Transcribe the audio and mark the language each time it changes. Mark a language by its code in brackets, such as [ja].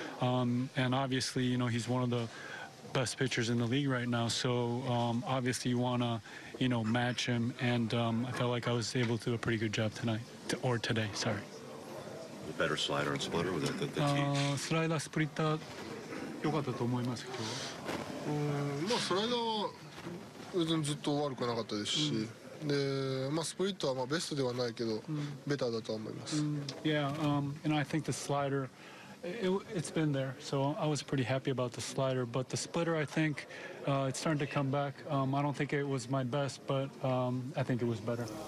[en] And obviously, you know, he's one of the best pitchers in the league right now. So obviously you want to, you know, match him. And I felt like I was able to do a pretty good job tonight. Or today, sorry. The better slider and splitter with the team? [ja] Slider, splitter, 良かったと思いますけど。まあ、スライダーは別にずっと悪くなかったですし。で、まあ、スプリットはまあベストではないけど、ベターだと思います。 [en] Yeah, and I think the slider, it's been there, so I was pretty happy about the slider, but the splitter, I think, it's starting to come back. I don't think it was my best, but I think it was better.